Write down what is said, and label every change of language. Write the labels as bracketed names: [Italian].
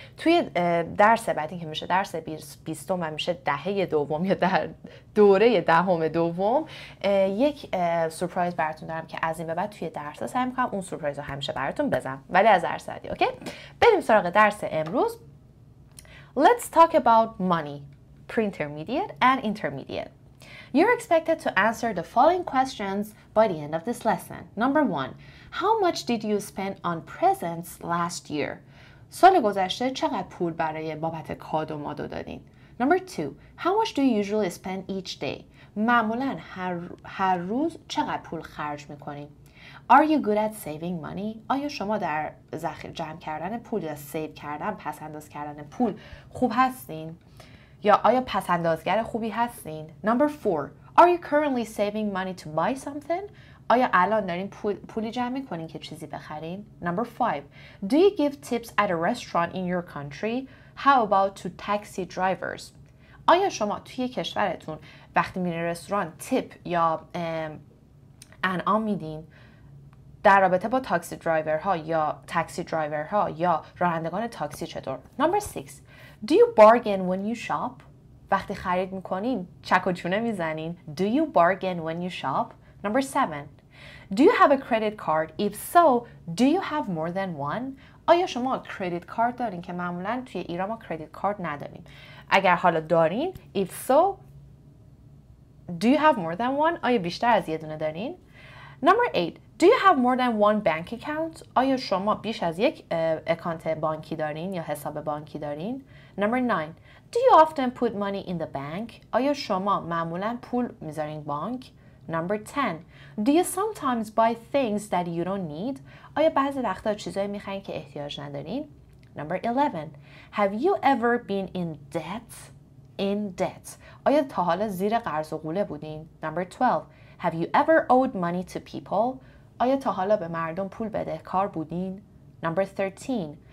[Persian] توی درس بعدی که میشه درس 20 و میشه دهه دوم یا در دوره دهم دوم، یک سورپرایز براتون دارم که از این به بعد توی درس ها سعی میکنم اون سورپرایز رو همیشه براتون بزنم، ولی از درس بعدی. اوکی؟ بریم سراغ درس امروز. [English] Let's talk about money, pre-intermediate and intermediate. You're expected to answer the following questions by the end of this lesson. Number one, how much did you spend on presents last year? [Persian] سال گذشته چقدر پول برای بابت کادو مادو دادین؟ [English] Number two, how much do you usually spend each day? [Persian] معمولاً هر روز چقدر پول خرج میکنین؟ [English] Are you good at saving money? [Persian] آیا شما در ذخیره جمع کردن پول یا سیو کردن، پس انداز کردن پول خوب هستین؟ یا آیا پس اندازگر خوبی هستین؟ [English] Number 4. Are you currently saving money to buy something? [Persian] آیا الان دارین پولی جمع می‌کنین که چیزی بخرین؟ [English] Number 5. Do you give tips at a restaurant in your country? How about to taxi drivers? [Persian] آیا شما توی کشورتون وقتی میرین رستوران تیپ یا انعام میدین؟ در رابطه با تاکسی درایور ها یا تاکسی درایور ها یا رانندگان تاکسی چطور؟ [English] Number 6. Do you bargain when you shop? [Persian] وقتی خرید میکنین چک و چونه میزنین؟ [English] Do you bargain when you shop? Number 7. Do you have a credit card? If so, do you have more than one? [Persian] آیا شما credit card دارین؟ که معمولا توی ایران ما credit card نداریم. اگر حالا دارین، [English] If so, do you have more than one? [Persian] آیا بیشتر از یه دونه دارین؟ [English] Number 8. Do you have more than one bank account? [Persian] آیا شما بیش از یک اکانت بانکی دارین یا حساب بانکی دارین؟ [English] Number 9. Do you often put money in the bank? [Persian] آیا شما معمولا پول میذارین بانک؟ [English] Number 10. Do you sometimes buy things that you don't need? [Persian] آیا بعضی وقتا چیزایی میخواین که احتیاج ندارین؟ [English] Number 11. Have you ever been in debt? In debt. [Persian] آیا تا حالا زیر قرض و قوله بودین؟ [English] Number 12. Have you ever owed money to people? [Persian] آیا تا حالا به مردم پول بدهکار بودین؟ [English] Number 13.